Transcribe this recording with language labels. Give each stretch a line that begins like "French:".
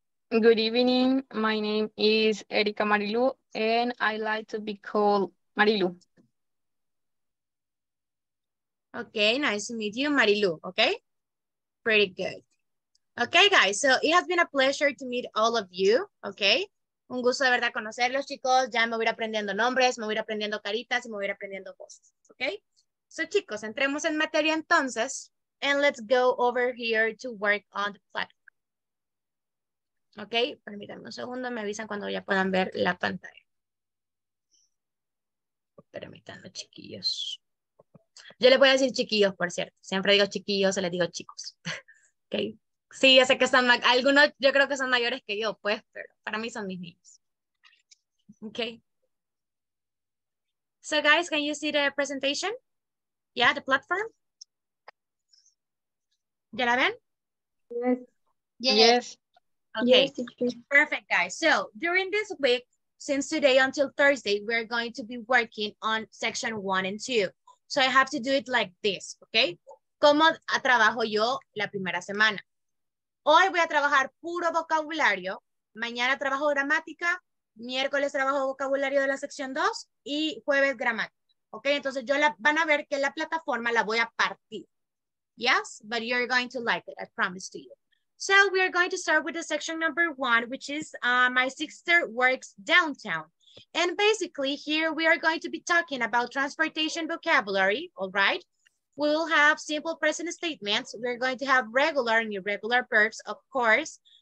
English: Good evening. My name is Erika Marilu, and I like to be called Marilu. Okay, nice to meet you, Marilu, okay? Pretty good. Okay, guys, so it has been a pleasure to meet all of you, okay?
Spanish: Un gusto de verdad conocerlos, chicos. Ya me voy a ir aprendiendo nombres, me voy a ir aprendiendo caritas y me voy a ir aprendiendo voces, ¿ok? So, chicos, entremos en materia entonces.
English: And let's go over here to work on the platform. ¿Ok?
Spanish: Permítanme un segundo, me avisan cuando ya puedan ver la pantalla. Permítanme, chiquillos. Yo les voy a decir chiquillos, por cierto. Siempre digo chiquillos, se les digo chicos. ¿Ok? Sí, ya sé que son, algunos yo creo que son mayores que yo, pues, pero para mí son mis niños.
English: Okay. So, guys, can you see the presentation? Yeah, the platform?
Spanish: ¿Ya la ven?
English: Yes. Okay. Yes. Perfect, guys. So, during this week, since today until Thursday, we're going to be working on section 1 and 2. So, I have to do it like this, okay?
Spanish: ¿Cómo trabajo yo la primera semana? Hoy voy a trabajar puro vocabulario, mañana trabajo gramática, miércoles trabajo vocabulario de la sección 2 y jueves gramática. Ok, entonces van a ver que la plataforma la voy a partir.
English: Yes, but you're going to like it, I promise to you. So we are going to start with the section number 1, which is my sister works downtown. And basically here we are going to be talking about transportation vocabulary, all right? We will have simple present statements. We're going to have regular and irregular verbs, of course.